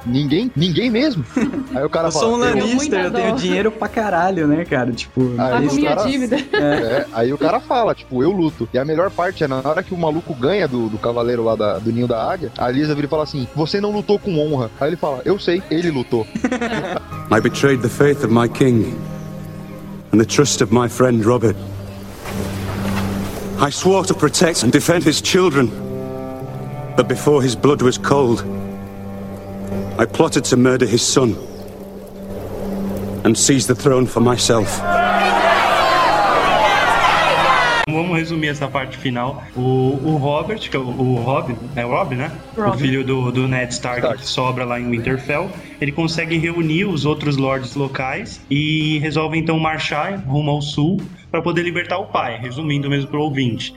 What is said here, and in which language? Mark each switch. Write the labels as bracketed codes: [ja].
[pt] Ninguém? Ninguém mesmo? Aí o cara eu sou um Lannister, eu tenho dinheiro pra caralho, né, cara? Tipo, minha dívida. Aí o cara fala, tipo, eu luto. E a melhor parte é, na hora que o maluco ganha do cavaleiro lá do ninho da águia, a Lisa vira e fala assim, você não lutou com honra. Aí ele fala, eu sei, ele lutou. [en] I betrayed the faith of my king and the trust of my friend Robert. I swore to protect and defend his children. But before his blood was cold, I plotted to murder his son and seize the throne for myself. [pt] Vamos resumir essa parte final. O Robert, que é o Robin, é o Robin, né? Robin. O filho do Ned Stark, que sobra lá em Winterfell. Ele consegue reunir os outros lords locais e resolve então marchar rumo ao sul pra poder libertar o pai, resumindo mesmo pro ouvinte.